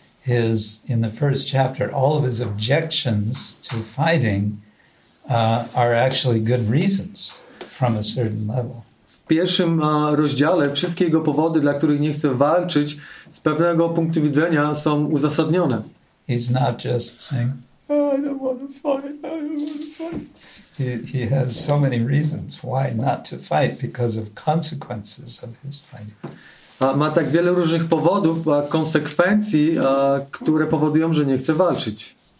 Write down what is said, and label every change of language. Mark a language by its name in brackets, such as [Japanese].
[English] His in the first chapter, all of his objections to fighting are actually good reasons from a certain level. [Polish] W pierwszym rozdziale wszystkie jego powody, dla których nie chce walczyć, z pewnego punktu widzenia są uzasadnione. [English] He's not just saying, I don't want to fight, I don't want to fight. He has so many reasons why not to fight because of consequences of his fighting. [Polish] Ma tak wiele różnych powodów, konsekwencji, które powodują, że nie chce walczyć.